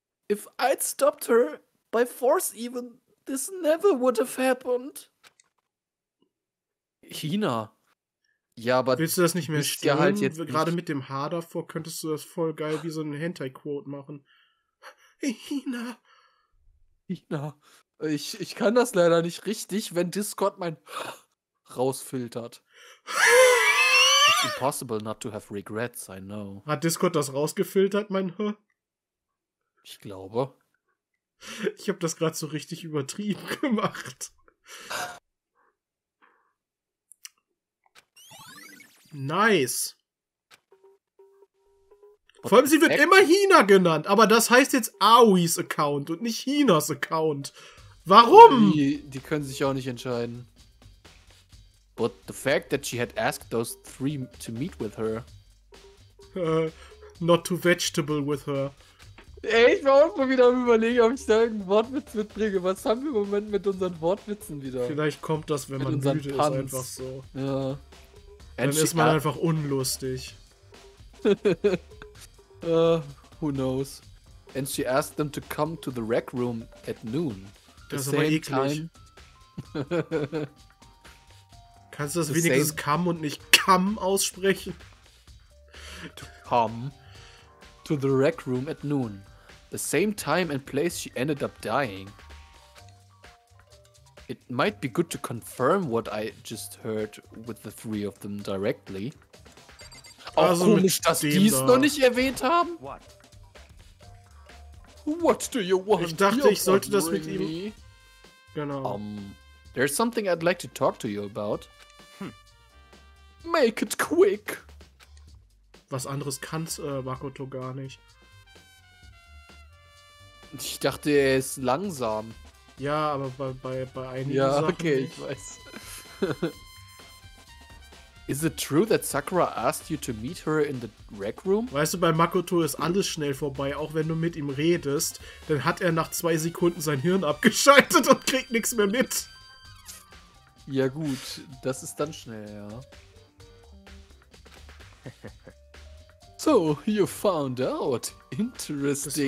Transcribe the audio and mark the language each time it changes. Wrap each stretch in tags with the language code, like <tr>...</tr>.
<en>If I'd stopped her by force even, this never would have happened.</en> <de>China. Ja, aber willst du das nicht mehr stellen? Halt jetzt gerade nicht. Mit dem Haar davor könntest du das voll geil wie so ein Hentai-Quote machen. China. China. Ich kann das leider nicht richtig, wenn Discord mein rausfiltert.</de> <en>It's impossible not to have regrets, I know.</en> <de>Hat Discord das rausgefiltert, mein H? Ich glaube. Ich habe das gerade so richtig übertrieben gemacht.</de> <en>Nice.</en> <de>What vor allem, sie wird immer China genannt, aber das heißt jetzt Aois Account und nicht Hinas Account. Warum? Die können sich auch nicht entscheiden.</de> <en>But the fact that she had asked those three to meet with her. Not too vegetable with her.</en> <de>Ey, ich war auch mal wieder am überlegen, ob ich da irgendeinen Wortwitz mitbringe. Was haben wir im Moment mit unseren Wortwitzen wieder? Vielleicht kommt das, wenn man müde ist, einfach so. Ja. Dann ist man einfach unlustig.</de> <en>Who knows? And she asked them to come to the rec room at noon.</en> <de>Das ist aber eklig. Time. Kannst du das wenigstens come und nicht come aussprechen?</de> <en>To come to the rec room at noon. The same time and place she ended up dying. It might be good to confirm what I just heard with the three of them directly.</en> <de>Also auch komisch, dass die es noch nicht erwähnt haben.</de> <en>What do you want?</en> <de>Ich dachte, ich sollte das mit ihm... Genau.</de> <en>There's something I'd like to talk to you about. Make it quick.</en> <de>Was anderes kann's Makoto gar nicht. Ich dachte, er ist langsam. Ja, aber bei einigen Sachen. Ja, okay, ich weiß.</de> <en>Is it true that Sakura asked you to meet her in the rec room?</en> <de>Weißt du, bei Makoto ist alles schnell vorbei, auch wenn du mit ihm redest. Dann hat er nach 2 Sekunden sein Hirn abgeschaltet und kriegt nichts mehr mit. Ja gut, das ist dann schnell, ja.</de> <en>So, you found out. Interesting.</en>